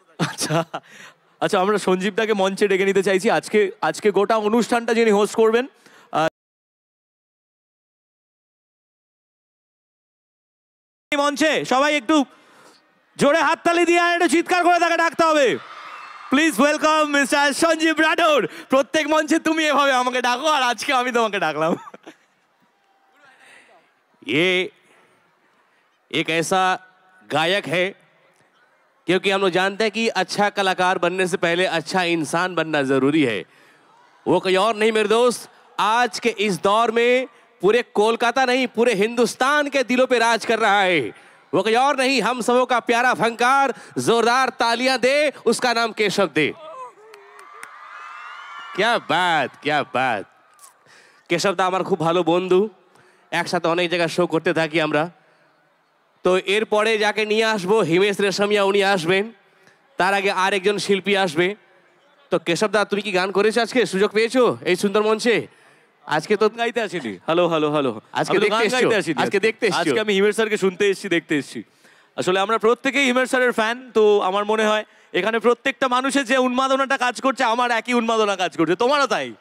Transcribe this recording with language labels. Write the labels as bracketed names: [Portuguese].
[Bangla] আচ্ছা আচ্ছা, আমরা সঞ্জীব দাকে মঞ্চে ডেকে নিতে চাইছি। আজকে আজকে গোটা অনুষ্ঠানটা যিনি হোস্ট করবেন, মঞ্চে সবাই একটু জোরে হাততালি দিয়ে আর একটু চিৎকার করে তাকে ডাকতে হবে, please welcome mister Sanjeev Rathore. প্রত্যেক মঞ্চে তুমি এভাবে আমাকে ডাকো, আর আজকে আমি তোমাকে ডাকলাম। [Hindi] ये एक ऐसा गायक है, क्योंकि हम लोग जानते हैं कि अच्छा कलाकार बनने से पहले अच्छा इंसान बनना जरूरी है, वो कोई और नहीं मेरे दोस्त, आज के इस दौर में पूरे कोलकाता नहीं पूरे हिंदुस्तान के दिलों पे राज कर रहा है, वो कोई और नहीं, हम सबों का प्यारा फंकार, जोरदार तालियां दे, उसका नाम केशव दे। क्या बात, क्या बात, [Bangla] केशव दा हमारा खूब भालो बंधु, একসাথে অনেক জায়গায় শো করতে থাকি আমরা। তো এরপরে যাকে নিয়ে আসবো, হিমেশ রেশমিয়া উনি আসবেন, তার আগে আর একজন শিল্পী আসবে। তো কেশব দা, তুমি কি গান করেছো আজকে, সুযোগ পেয়েছো এই সুন্দর মঞ্চে? আজকে তো গাইতে আসিনি। হ্যালো হ্যালো হ্যালো, আজকে দেখতে আসিনি, আজকে আমি হিমেশ স্যারকে শুনতে এসেছি, দেখতে এসেছি। আসলে আমরা প্রত্যেকই হিমের স্যারের ফ্যান, তো আমার মনে হয় এখানে প্রত্যেকটা মানুষের যে উন্মাদনাটা কাজ করছে আমার একই উন্মাদনা কাজ করছে, তোমারও তাই?